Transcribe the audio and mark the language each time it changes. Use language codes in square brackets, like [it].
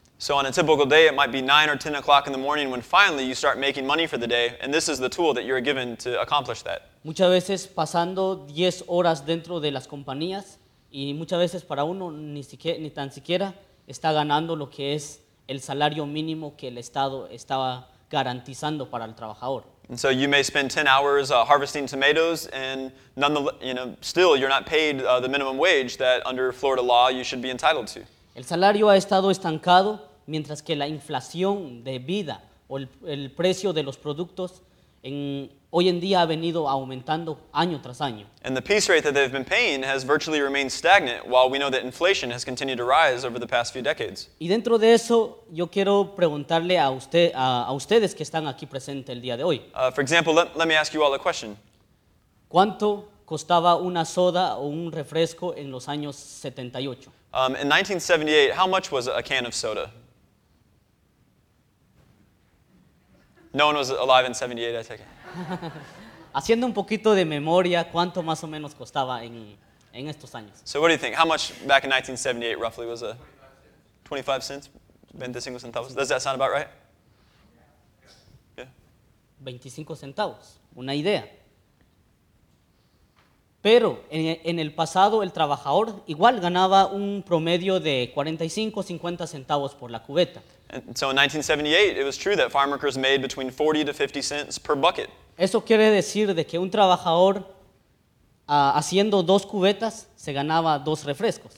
[en] So on a typical day, it might be 9 or 10 o'clock in the morning when finally you start making money for the day, and this is the tool that you're given to accomplish that. [es] Muchas veces pasando 10 horas dentro de las compañías, y muchas veces para uno ni tan siquiera está ganando lo que es el salario mínimo que el Estado estaba garantizando para el trabajador. [en] And so you may spend 10 hours harvesting tomatoes, and still you're not paid the minimum wage that under Florida law you should be entitled to. [es] El salario ha estado estancado mientras que la inflación de vida o el precio de los productos hoy en día ha venido aumentando año tras año. [en] And the piece rate that they've been paying has virtually remained stagnant, while we know that inflation has continued to rise over the past few decades. [es] Y dentro de eso, yo quiero preguntarle a ustedes que están aquí presentes el día de hoy. [en] For example, let me ask you all a question. [es] ¿Cuánto costaba una soda o un refresco en los años 78? [en] In 1978, how much was a can of soda? No one was alive in 78, I take it. [es] Haciendo un poquito de memoria, ¿cuánto más o menos costaba en estos años? [en] So what do you think? How much back in 1978 roughly was a 25 cents? [es] 25 centavos. [en] Does that sound about right? [es] Yeah. 25 centavos. Una idea. Pero en el pasado el trabajador igual ganaba un promedio de 45 o 50 centavos por la cubeta. [en] And so in 1978 it was true that farm workers made between 40 to 50 cents per bucket. [es] Eso quiere decir de que un trabajador haciendo dos cubetas se ganaba dos refrescos.